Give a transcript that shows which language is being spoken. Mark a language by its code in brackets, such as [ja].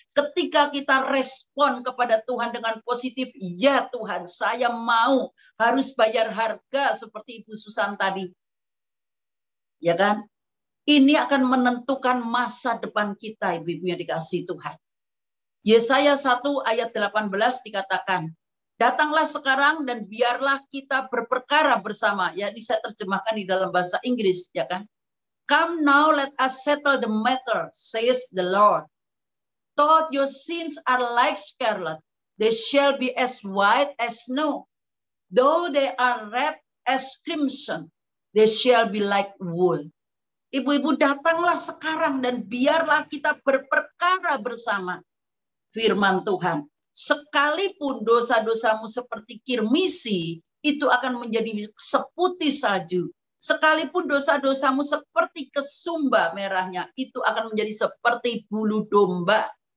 [id] Ketika kita respon kepada Tuhan dengan positif, ya Tuhan, saya mau harus bayar harga seperti Ibu Susan tadi. Ya kan? Ini akan menentukan masa depan kita, ibu-ibu yang dikasihi Tuhan. Yesaya 1 ayat 18 dikatakan, datanglah sekarang dan biarlah kita berperkara bersama. Ya, ini saya terjemahkan di dalam bahasa Inggris, ya kan? [en] Come now, let us settle the matter, says the Lord. Though your sins are like scarlet, they shall be as white as snow. Though they are red as crimson, they shall be like wool. [id] Ibu-ibu, datanglah sekarang dan biarlah kita berperkara bersama. Firman Tuhan. Sekalipun dosa-dosamu seperti kirmisi, itu akan menjadi seputih salju. Sekalipun dosa-dosamu seperti kesumba merahnya, itu akan menjadi seperti bulu domba.